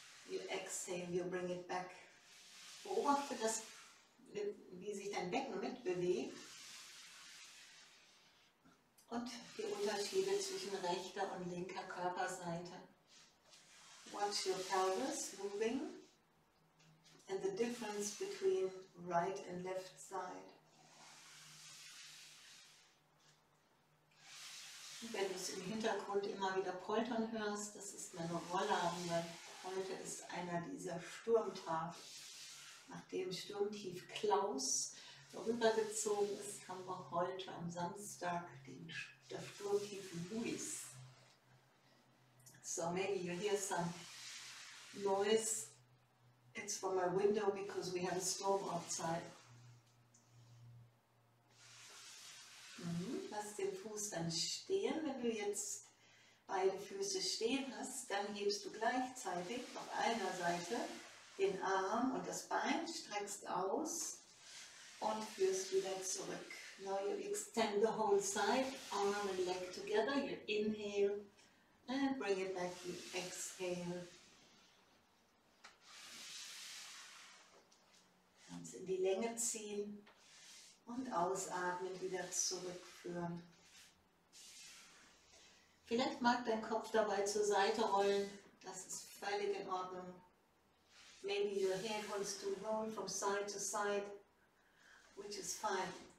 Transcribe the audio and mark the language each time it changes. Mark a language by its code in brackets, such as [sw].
[en] You exhale, you bring it back. [de] Beobachte, das, wie sich dein Becken mitbewegt. Und die Unterschiede zwischen rechter und linker Körperseite. [en] Watch your pelvis moving. And the difference between right and left side. [de] Wenn du es im Hintergrund immer wieder poltern hörst, das ist meine Rollladen, Heute ist einer dieser Sturmtage. Nachdem Sturmtief Klaus rübergezogen ist, haben wir heute am Samstag das Sturmtief Luis. [en] So, Maggie, you hear some noise? It's from my window because we have a storm outside. [de] Lass den Fuß dann stehen. Wenn du jetzt beide Füße stehen hast, dann hebst du gleichzeitig auf einer Seite den Arm und das Bein, streckst aus und führst wieder zurück. [en] Now you extend the whole side, arm and leg together. You inhale and bring it back. You exhale. [de] Hands in die Länge ziehen. Und ausatmen, wieder zurückführen. Vielleicht mag dein Kopf dabei zur Seite rollen. Das ist völlig in Ordnung. [en] Maybe your head wants to roll from side to side, which is fine.